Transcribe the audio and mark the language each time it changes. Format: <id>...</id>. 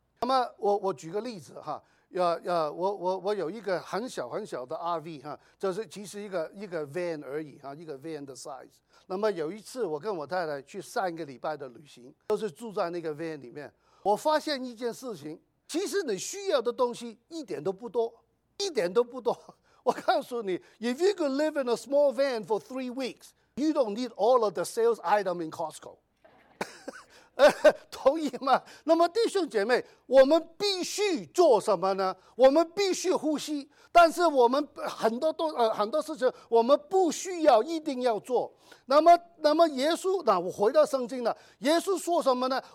<zh>那么我举个例子哈，我有一个很小很小的 RV 哈，就是其实一个 van 而已哈，一个 van 的 size。那么有一次我跟我太太去上一个礼拜的旅行，都是住在那个 van 里面，我发现一件事情，其实你需要的东西一点都不多，一点都不多。我告诉你</zh> <en>，If you could live in a small van for 3 weeks, you don't need all of the sales item in Costco.</en> <zh>同意吗？那么弟兄姐妹，我们必须做什么呢？我们必须呼吸，但是我们很多事情我们不需要一定要做。那么耶稣，那我回到圣经了。耶稣说什么呢？</zh>